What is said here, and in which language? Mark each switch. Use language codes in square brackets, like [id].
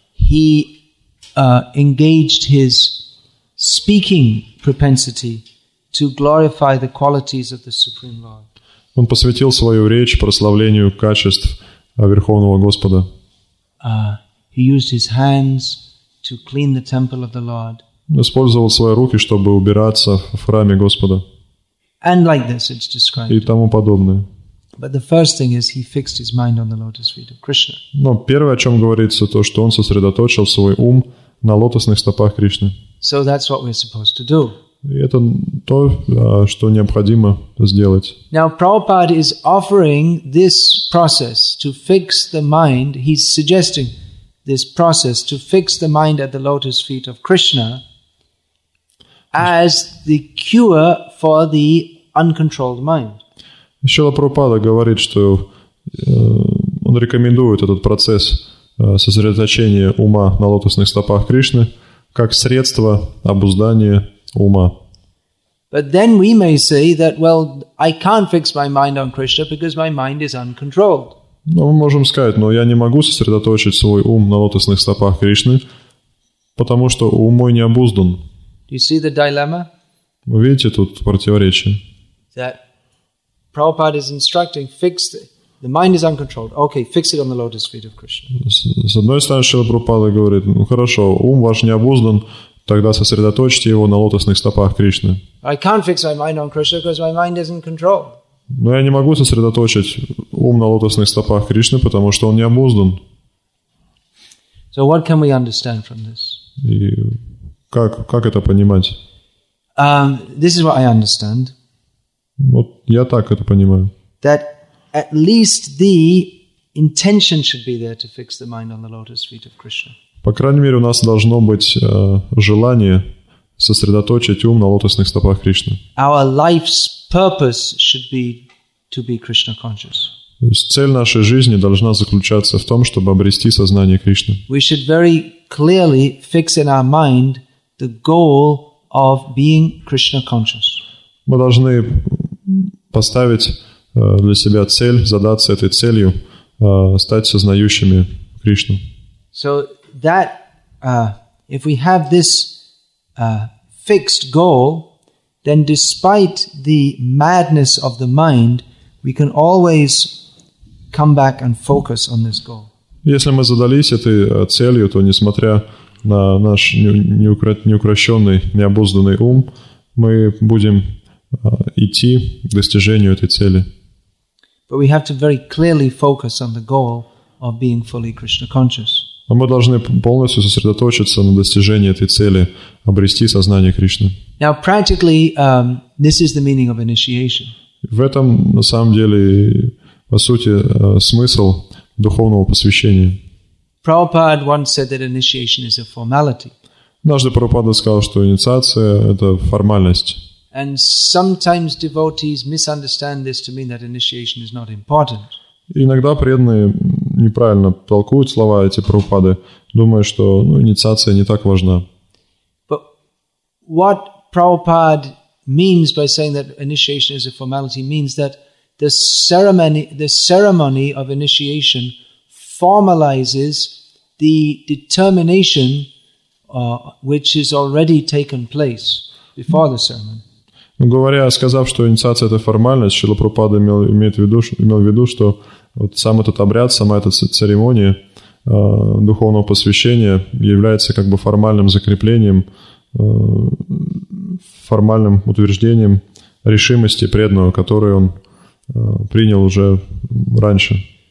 [en] He engaged his speaking propensity to glorify the qualities of the Supreme Lord. [ru] Он посвятил свою речь прославлению качеств Верховного Господа. [en] He used his hands to clean the temple of the Lord. [ru] Использовал свои руки, чтобы убираться в храме Господа. [en] And like this it's described. [ru] И тому подобное. [en] But the first thing is, he fixed his mind on the lotus feet of Krishna. [ru] Но первое, о чем говорится, то, что он сосредоточил свой ум на лотосных стопах Кришны. [en] So that's what we're supposed to do. [ru] И это то, что необходимо сделать. [en] Now, Prabhupada is offering this process to fix the mind. He's suggesting this process to fix the mind at the lotus feet of Krishna as the cure for the uncontrolled mind. [ru] Шрила Прабхупада говорит, что он рекомендует этот процесс сосредоточения ума на лотосных стопах Кришны как средство обуздания ума. [en] But then we may say that, well, I can't fix my mind on Krishna because my mind is uncontrolled. [ru] Но мы можем сказать, но я не могу сосредоточить свой ум на лотосных стопах Кришны, потому что ум мой не обуздан. [en] Do you see the dilemma? [ru] Вы видите тут противоречие? [en] That Prabhupada is instructing, fix it. The mind is uncontrolled. Okay, fix it on the lotus feet of Krishna. [ru] С одной стороны, Шрила Прабхупада говорит, ну хорошо, ум ваш не обуздан, тогда сосредоточьте его на лотосных стопах Кришны. [en] I can't fix my mind on Krishna because my mind isn't controlled. [ru] Но я не могу сосредоточить ум на лотосных стопах Кришны, потому что он не обуздан. [en] So what can we understand from this? [ru] И как это понимать? [en] This is what I understand. [ru] Вот я так это понимаю. [en] That at least the intention should be there to fix the mind on the lotus feet of Krishna. [ru] По крайней мере, у нас должно быть желание сосредоточить ум на лотосных стопах Кришны. [en] Our life's purpose should be to be Krishna conscious. [ru] То есть цель нашей жизни должна заключаться в том, чтобы обрести сознание Кришны. [en] We should very clearly fix in our mind the goal of being Krishna conscious. [ru] Мы должны поставить для себя цель, задаться этой целью, стать сознающими Кришну. [en] So that, if we have this fixed goal, then despite the madness of the mind, we can always come back and focus on this goal. [ru] Если мы задались этой целью, то несмотря на наш неукрощенный, необузданный ум, мы будем идти к достижению этой цели. [en] But we have to very clearly focus on the goal of being fully Krishna conscious. [ru] Но мы должны полностью сосредоточиться на достижении этой цели, обрести сознание Кришны. [en] Now, practically, this is the meaning of initiation. [ru] В этом, на самом деле, по сути, смысл духовного посвящения. [en] Prabhupada once said that initiation is a formality. [ru] Однажды Прабхупада сказал, что инициация – это формальность. [en] And sometimes devotees misunderstand this to mean that initiation is not important. [ru] Иногда преданные неправильно толкуют слова эти Прабхупады, думая, что ну, инициация не так важна. [en] But what Prabhupada means by saying that initiation is a formality means that the ceremony of initiation formalizes the determination which is already taken place before the ceremony. [ru] Сказав, что инициация – это формальность, Шрила Прабхупада имел в виду, что вот сам этот обряд, сама эта церемония духовного посвящения является как бы формальным закреплением, формальным утверждением решимости преданного, которую он принял уже раньше.